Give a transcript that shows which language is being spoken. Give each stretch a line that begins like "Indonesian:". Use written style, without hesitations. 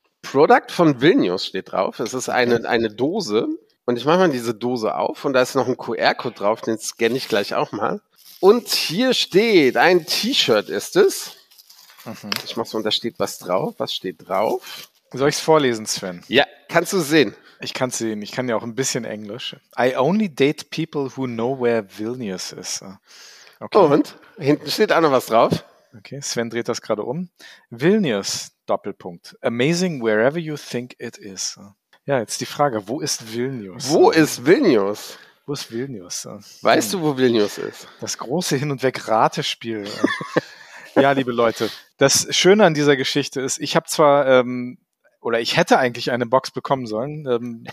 German: Product von Vilnius steht drauf. Es ist eine Dose und ich mache mal diese Dose auf und da ist noch ein QR-Code drauf, den scanne ich gleich auch mal. Und hier steht, ein T-Shirt ist es. Ich mache so, und da steht was drauf. Was steht drauf? Soll ich es vorlesen, Sven? Ja, kannst du sehen. Ich kann es sehen. Ich kann ja auch ein bisschen Englisch.
English: I only date people who know where Vilnius is.
German: Okay. Und? Hinten steht auch noch was drauf. Okay, Sven dreht das gerade um. Vilnius, Doppelpunkt.
English: Amazing wherever you think it is.
German: Ja, jetzt die Frage, wo ist Vilnius? Wo ist Vilnius? Wo ist Vilnius? Weißt du, wo Vilnius ist? Das große Hin- und Weg-Ratespiel. Ja, liebe Leute. Das Schöne an dieser Geschichte ist, ich habe zwar... oder ich hätte eigentlich eine Box bekommen sollen.